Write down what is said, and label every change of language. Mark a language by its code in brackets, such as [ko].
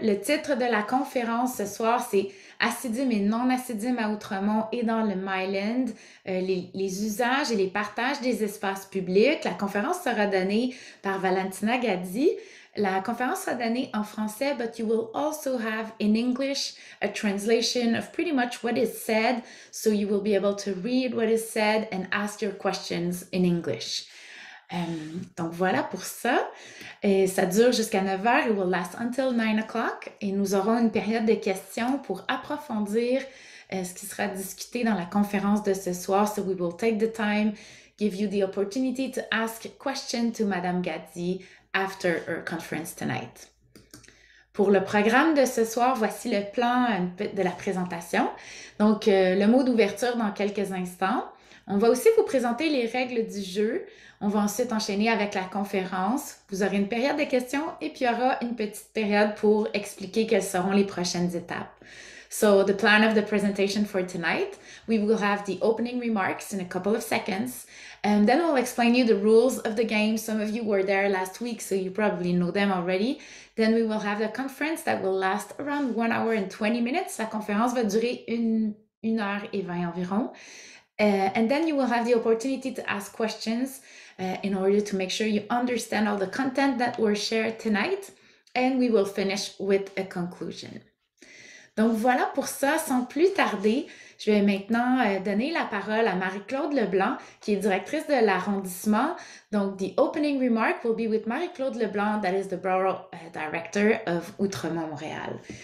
[fr] Le titre de la conférence ce soir, c'est Acidim et non-acidim à Outremont et dans le Myland, les usages et les partages des espaces publics. La conférence sera donnée par Valentina Gaddi. La conférence sera donnée en français, [en] but you will also have in English a translation of pretty much what is said, so you will be able to read what is said and ask your questions in English. [fr] Donc voilà pour ça. Et ça dure jusqu'à 9h, [en] it will last until 9 o'clock, [fr] et nous aurons une période de questions pour approfondir ce qui sera discuté dans la conférence de ce soir, [en] so we will take the time, give you the opportunity to ask questions to Madame Gaddi after our conference tonight. [fr] Pour le programme de ce soir, voici le plan de la présentation. Donc, le mot d'ouverture dans quelques instants. On va aussi vous présenter les règles du jeu. On va ensuite enchaîner avec la conférence. Vous aurez une période de questions et puis il y aura une petite période pour expliquer quelles seront les prochaines étapes. [en] So, the plan of the presentation for tonight, we will have the opening remarks in a couple of seconds. And then we'll explain you the rules of the game. Some of you were there last week, so you probably know them already. Then we will have the conference that will last around 1 hour and 20 minutes. [fr] La conférence va durer 1 heure et 20 environ. [en] And then you will have the opportunity to ask questions in order to make sure you understand all the content that were shared tonight. And we will finish with a conclusion. [fr] Donc voilà pour ça, sans plus tarder, je vais maintenant donner la parole à Marie-Claude Leblanc, qui est directrice de l'arrondissement. Donc, [en] the opening remark will be with Marie-Claude Leblanc, that is the Borough Director of Outremont-Montréal.